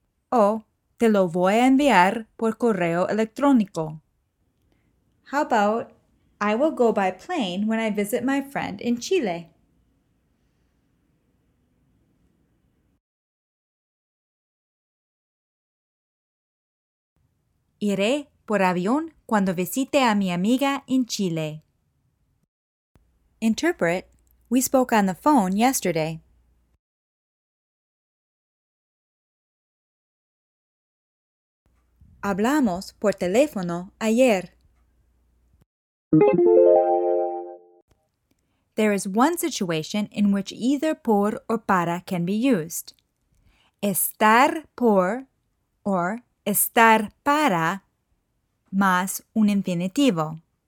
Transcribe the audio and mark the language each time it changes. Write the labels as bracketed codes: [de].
[es] O, te lo voy a enviar por correo electrónico. [en] How about, I will go by plane when I visit my friend in Chile. [es] Iré por avión cuando visite a mi amiga en Chile. [en] Interpret, we spoke on the phone yesterday. [es] Hablamos por teléfono ayer. [en] There is one situation in which either por or para can be used. [es] Estar por [en] or [es] estar para más un infinitivo.